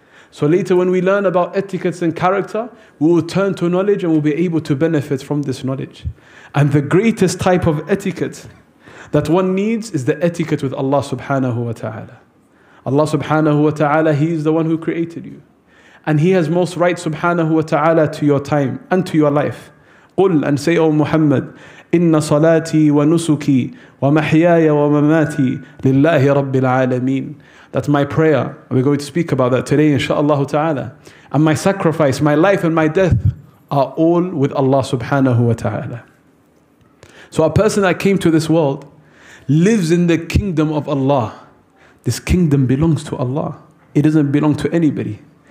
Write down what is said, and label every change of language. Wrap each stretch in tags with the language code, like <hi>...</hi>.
<en>So later when we learn about etiquettes and character, we will turn to knowledge and we'll be able to benefit from this knowledge. And the greatest type of etiquette that one needs is the etiquette with Allah subhanahu wa ta'ala. Allah subhanahu wa ta'ala, He is the one who created you. And He has most right subhanahu wa ta'ala to your time and to your life.</en> <ar>قُلْ</ar> <en>and say, O Muhammad,</en> <ar>إِنَّ صَلَاتِي وَنُسُكِي وَمَحْيَايَ وَمَمَاتِي لِلَّهِ رَبِّ الْعَالَمِينَ.</ar> <en>That my prayer, we're going to speak about that today, inshaAllah ta'ala. And my sacrifice, my life and my death are all with Allah subhanahu wa ta'ala. So a person that came to this world lives in the kingdom of Allah. This kingdom belongs to Allah. It doesn't belong to anybody.</en>